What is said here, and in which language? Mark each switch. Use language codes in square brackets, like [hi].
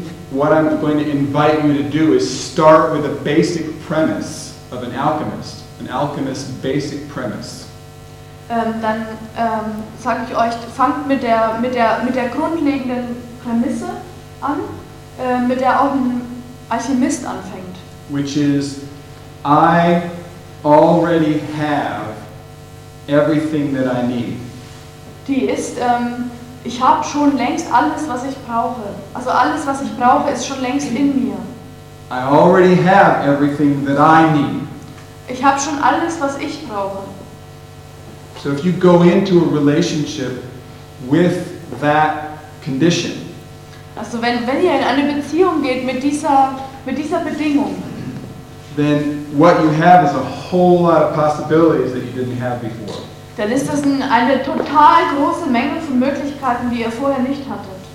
[en] What I'm going to invite you to do is start with a basic premise of an alchemist. An alchemist's basic premise. [de] Dann sage ich euch, fangt mit der grundlegenden Prämisse an, mit der auch ein Alchemist anfängt. [en] Which is, I already have everything that I need. [de] Die ist, ich habe schon längst alles, was ich brauche. Also alles, was ich brauche, ist schon längst in mir. [en] I already have everything that I need. [de] Ich habe schon alles, was ich brauche. [en] So if you go into a relationship with that condition. [de] Also wenn ihr in eine Beziehung geht mit dieser Bedingung. [en] Then what you have is a whole lot of possibilities that you didn't have before. [de] Dann ist das eine total große Menge von Möglichkeiten, die ihr vorher nicht hattet.